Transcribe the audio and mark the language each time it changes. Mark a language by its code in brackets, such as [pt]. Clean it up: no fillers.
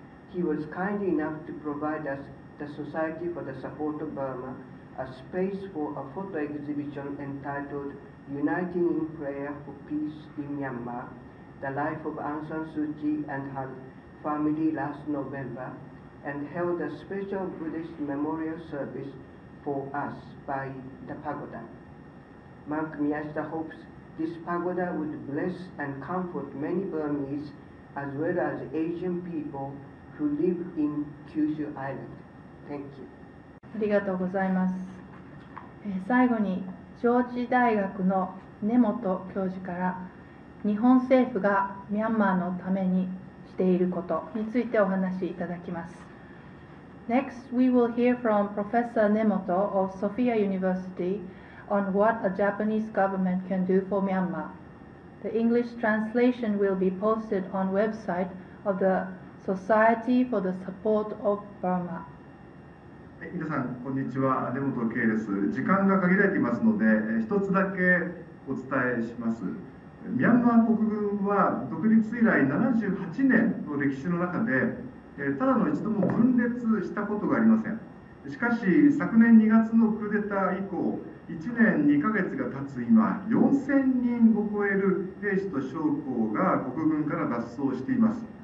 [en] He was kind enough to provide us, the Society for the Support of Burma, a space for a photo exhibition entitled Uniting in Prayer for Peace in Myanmar, the Life of Aung San Suu Kyi and her family last November, and held a special Buddhist memorial service for us by the pagoda. Monk Miyasta hopes this pagoda would bless and comfort many Burmese as well as Asian people who live in Kyushu Island. Thank you. [ja] ありがとうございます。最後に、上智大学の根本教授から、日本政府がミャンマーのためにしていることについてお話しいただきます。 [en] Next, we will hear from Professor Nemoto of Sophia University on what a Japanese government can do for Myanmar. The English translation will be posted on website of the Society for the Support of Burma. [ja] 皆さん、こんにちは。根本圭です。時間が限られていますので、一つだけお伝えします。ミャンマー国軍は独立以来78年の歴史の中で、ただの一度も分裂したことがありません。しかし昨年2月のクーデター以降、1年2ヶ月が経つ今、4000人を超える兵士と将校が国軍から脱走しています。